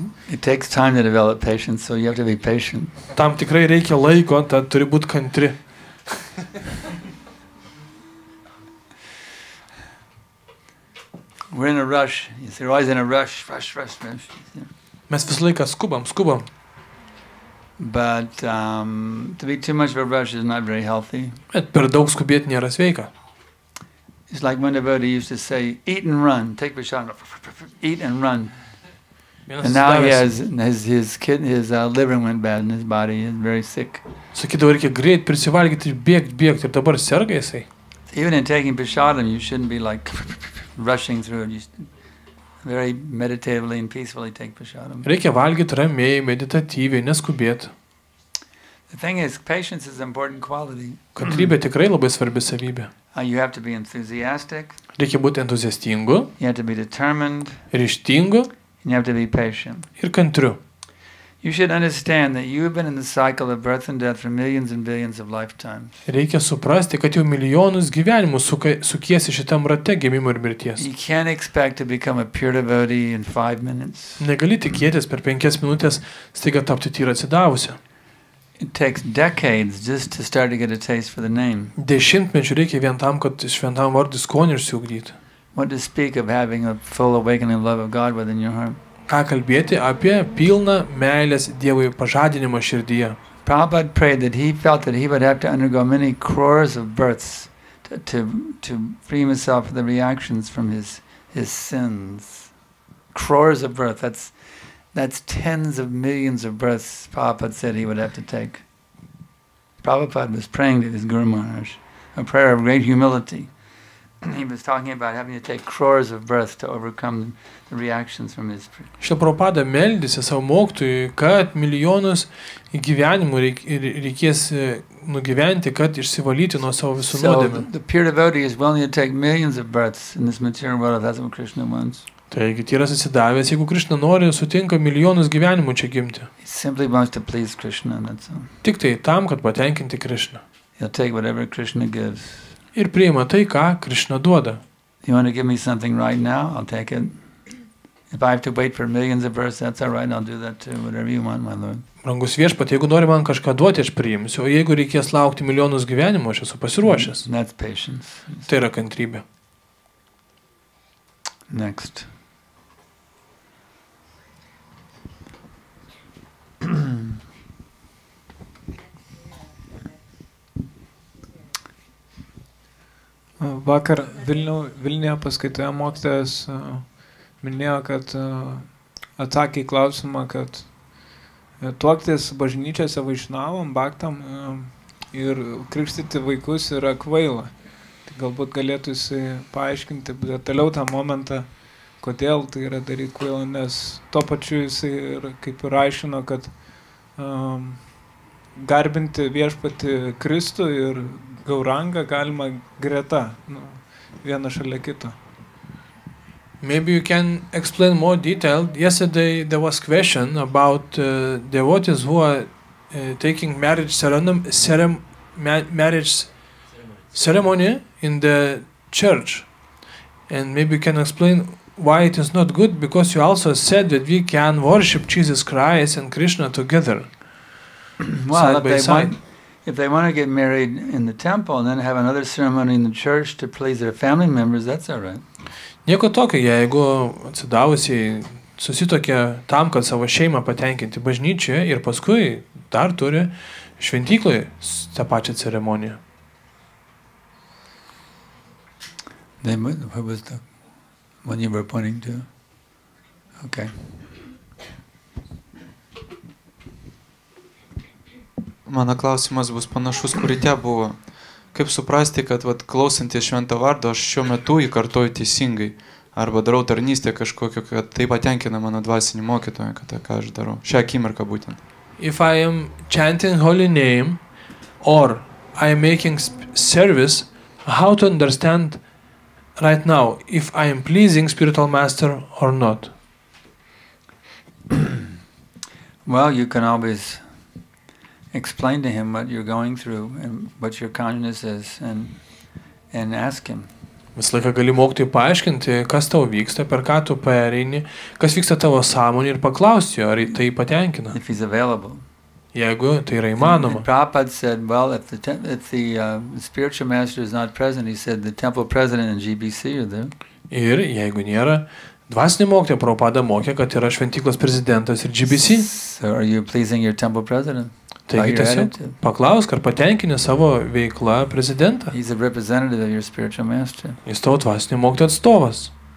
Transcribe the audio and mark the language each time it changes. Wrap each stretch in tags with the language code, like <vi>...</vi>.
<en>It takes time to develop patience, so you have to be patient.</en> <lt>Tam tikrai reikia laiko, tad turi būti kantri.</lt> <en>We're in a rush. You're always in a rush. Rush, rush, rush.</en> <lt>Mes visą laiką skubam, skubam.</lt> <en>But to be too much of a rush is not very healthy.</en> <lt>Bet per daug skubėti nėra sveika.</lt> <en>It's like when a devotee used to say, eat and run, take vishana, eat and run. And now he has his liver went bad and his body is very sick.</en> <lt>Sakydavo, reikia greit prisivalgyti ir bėgti, bėgti, ir dabar serga jisai.</lt> <en>Even in taking prasadam, you shouldn't be like rushing through it. You very meditatively and peacefully take prasadam.</en> <lt>Reikia valgyti ramiai, meditatyviai, neskubėti.</lt> <en>The thing is, patience is an important quality.</en> <lt>Kantrybė tikrai labai svarbi savybė.</lt> <en>You have to be enthusiastic.</en> <lt>Reikia būti entuziastingu.</lt> <en>You have to be determined.</en> <lt>Ryžtingu.</lt> <en>You have to be patient.</en> <lt>Ir kantriu.</lt> <en>You should understand that you have been in the cycle of birth and death for millions and billions of lifetimes.</en> <lt>Reikia suprasti, kad jau milijonus gyvenimų sukiesi šitam rate gimimo ir mirties.</lt> <en>You can't expect to become a pure devotee in 5 minutes.</en> <lt>Negali tikėtis per 5 minutes staiga tapti tyra atsidavusia.</lt> <en>It takes decades just to start to get a taste for the name.</en> <lt>Dešimtmečių reikia vien tam, kad šventam vardui skonį išsiugdyti.</lt> <en>What to speak of having a full awakening love of God within your heart.</en> <lt>Ką kalbėti apie pilną meilės Dievui pažadinimo širdyje.</lt> <en>Prabhupada prayed that he felt that he would have to undergo many crores of births to free himself from the reactions from his sins. Crores of birth, that's tens of millions of births Prabhupada said he would have to take. Prabhupada was praying to his Guru Maharaj, a prayer of great humility. He was talking about having to take crores of breath to overcome the reactions from his spirit.</en> <lt>Šio Prabhupada meldėsi savo mokytojui, kad milijonus gyvenimų reikės nugyventi, kad išsivalyti nuo savo visų nuodėmių.</lt> <en>The pure devotee is willing to take millions of breaths in this material world, that's what Krishna wants.</en> <lt>Taigi, tyras atsidavęs, jeigu Krishna nori, sutinka milijonus gyvenimų čia gimti.</lt> <en>He simply wants to please Krishna, that's all.</en> <lt>Tik tai tam, kad patenkinti Krishna.</lt> <en>He'll take whatever Krishna gives.</en> <lt>Ir priima tai, ką Krishna duoda.</lt> <en>You want to give me something right now? I'll take it. If I have to wait for millions of births, that's all right. I'll do that too. Whatever you want, my Lord.</en> <lt>Brangus viešpat, jeigu nori man kažką duoti, aš priimsiu. O jeigu reikės laukti milijonus gyvenimo, aš esu pasiruošęs.</lt> <en>That's patience.</en> <lt>Tai yra kantrybė.</lt> <en>Next.</en> <lt>Vakar Vilniuje paskaitoje mokytojas minėjo, kad atsakė į klausimą, kad tuoktis bažnyčiose vaišnavom, baktam ir krikštyti vaikus yra kvaila. Tai galbūt galėtų jisai paaiškinti detaliau tą momentą, kodėl tai yra daryti kvaila, nes to pačiu jisai ir kaip ir aiškino, kad garbinti viešpatį Kristų ir Gauranga galima greta, nu, viena šalia kito.</lt> <en>Maybe you can explain more detail. Yesterday there was question about devotees who are taking marriage ceremony in the church. And maybe you can explain why it is not good, because you also said that we can worship Jesus Christ and Krishna together. Well, side by side. If they want to get married in the temple and then have another ceremony in the church to please their family members, that's all right.</en> <lt>Nieko tokio, jeigu atsidavusi susitokia tam, kad savo šeimą patenkinti bažnyčioje ir paskui dar turi šventykloje tą pačią ceremoniją.</lt> <en>Then what was the one you were pointing to? Okay.</en> <lt>Mano klausimas bus panašus, kurį te buvo. Kaip suprasti, kad vat, klausantys švento vardo, aš šiuo metu jį kartuoju teisingai, arba darau tarnystę kažkokio, kad tai patenkina mano dvasinį mokytoją, kad ką aš darau. Šią akimirką būtent.</lt> <en>If I am chanting holy name, or I am making service, how to understand right now, if I am pleasing spiritual master or not? Well, you can always explain to him what you're going through and what your consciousness is and ask him.</en> <lt>Visą laiką gali mokyti paaiškinti, kas tau vyksta, per ką tu pereini, kas vyksta tavo sąmonė ir paklausti, ar tai patenkina.</lt> <en>If he's available.</en> <lt>Jeigu tai yra įmanoma.</lt> <en>Prabhupada said, well, if the spiritual master is not present, he said the temple president and GBC are there.</en> <lt>Ir jeigu nėra dvasinį mokytoją, Prabhupada mokė, kad yra šventyklos prezidentas ir GBC.</lt> <en>So are you pleasing your temple president?</en> <lt>Taigi tiesiog paklausk, ar patenkini savo veiklą prezidentą.</lt> <en>He's a representative of your spiritual master.</en> <lt>Jis tavo dvasinio mokytojo atstovas.</lt>